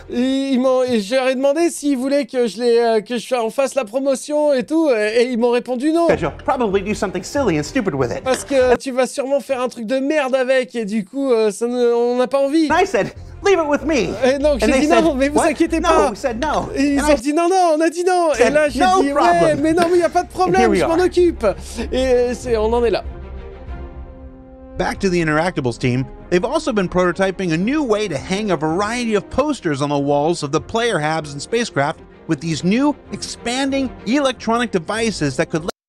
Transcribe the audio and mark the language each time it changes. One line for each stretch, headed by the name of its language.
French: J'aurais demandé s'ils voulaient que je fasse la promotion et tout, et ils m'ont répondu non.
English: Because you'll probably do something silly and stupid with it.
French: Parce que tu vas sûrement faire un truc de merde avec, et du coup, on n'a pas envie.
English: And I said, leave it with me.
French: Et donc j'ai dit non, mais vous inquiétez pas.
English: No, we said no.
French: Et ils ont dit non, non, on a dit non. Et là, j'ai dit, mais non, mais il n'y a pas de problème, je m'en occupe. Et on en est là.
English: Back to the Interactables team, they've also been prototyping a new way to hang a variety of posters on the walls of the player habs and spacecraft with these new expanding electronic devices that could.